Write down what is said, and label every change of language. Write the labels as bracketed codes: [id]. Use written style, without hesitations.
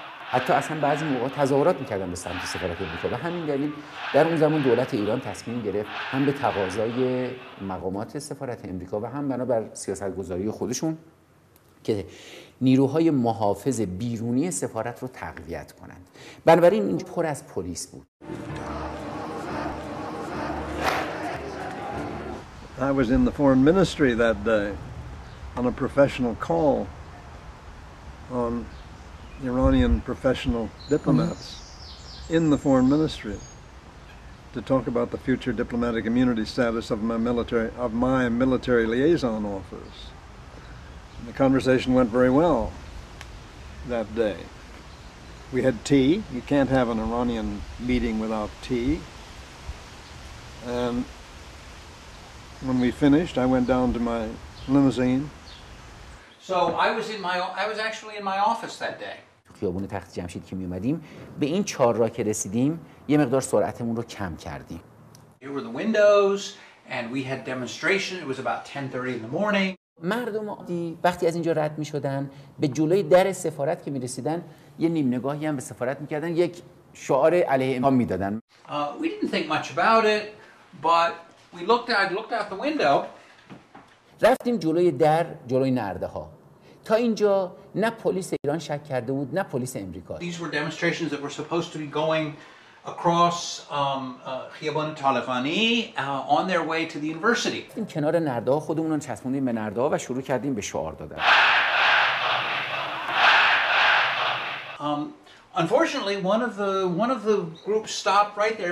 [fa] حتی اصلا بعضی موقع تظاهرات میکردن به سمت سفارت امریکا. به همین دلیل در اون زمان دولت ایران تصمیم گرفت هم به تقاضای مقامات سفارت امریکا و هم بنابر سیاست گذاری خودشون که نیروهای محافظ بیرونی سفارت رو تقویت کنند. بنابراین اینجا پر از پلیس بود. [en] I was in the foreign ministry that day on a professional call on Iranian professional diplomats in the foreign ministry to talk about the future diplomatic immunity status of my military liaison office. And the conversation went very well that day. We had tea. You can't have an Iranian meeting without tea. And when we finished, I went down to my limousine. So I was actually in my office that day. [fa] تو خیابون تخت جمشید که می اومدیم، به این چهارراه که رسیدیم یه مقدار سرعتمون رو کم کردیم. [en] Here were the windows and we had demonstration. It was about 10:30 in the morning. [fa] مردم عادی وقتی از اینجا رد می‌شدن به جلوی در سفارت که می‌رسیدن یه نیم نگاهی هم به سفارت می‌کردن، یک شعار علیه امام می‌دادن. [en] We didn't think much about it, but we looked out, looked out the window. [fa] رفتیم جلوی در، جلوی نرده‌ها. تا اینجا نه پلیس ایران شک کرده بود نه پلیس امریکا. [en] These were demonstrations that were supposed to be going across خیابان طالفانی on their way to the university. [fa] این کنار نرده ها خودمون رو چسبوندیم به نرده ها و شروع کردیم به شعار دادن. [en] Unfortunately one of the groups stopped right there.